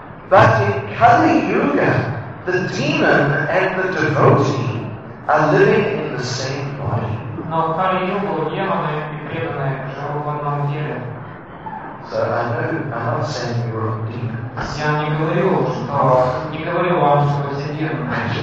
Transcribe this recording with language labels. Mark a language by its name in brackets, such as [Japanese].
[English] But in Kali Yuga, the demon and the devotee are living in the same body. [Russian] Но в Кали-Югу демоны и преданные живут в одном деле. [English] So I know, I'm not saying you are demons. [Russian] Я не говорю, что не говорю вам, что вы все демоны.